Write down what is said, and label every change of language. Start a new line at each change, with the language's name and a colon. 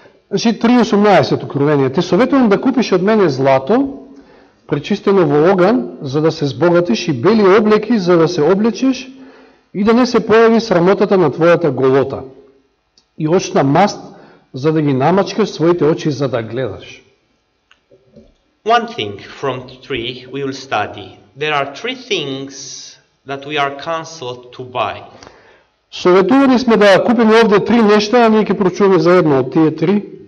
Macedonian: Значи 3:18 откровение. Те советувам да купиш од мене злато, пречистено во оган, за да се збогатиш, и бели облеки, за да се облечеш, и да не се појави срамотата на твојата голота, и очна маст, за да ги намачкаш своите очи, за да гледаш.
English: One thing from three we will study. There are three things that we are counseled to buy.
Macedonian: Советувани сме да купиме овде три нешта, а ние ќе прочуваме заедно од тие три.